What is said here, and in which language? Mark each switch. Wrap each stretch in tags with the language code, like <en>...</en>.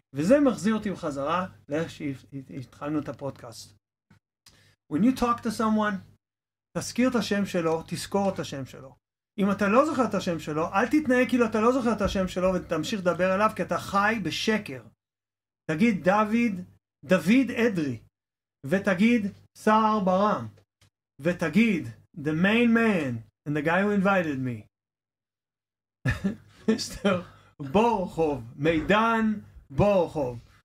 <he>וזה מחזיר אותי בחזרה לאיך שהתחלנו את הפודקאסט.</he> <en>When you talk to someone,</en> <he>תזכיר את השם שלו, תזכור את השם שלו. אם אתה לא זוכר את השם שלו, אל תתנהג כאילו אתה לא זוכר את השם שלו ותמשיך לדבר עליו, כי אתה חי בשקר. תגיד דוד אדרי, ותגיד סער ברם, ותגיד</he> <en>the main man and the guy who invited me.</en> <he>מיסטר בורחוב, מידן בורחוב.</he>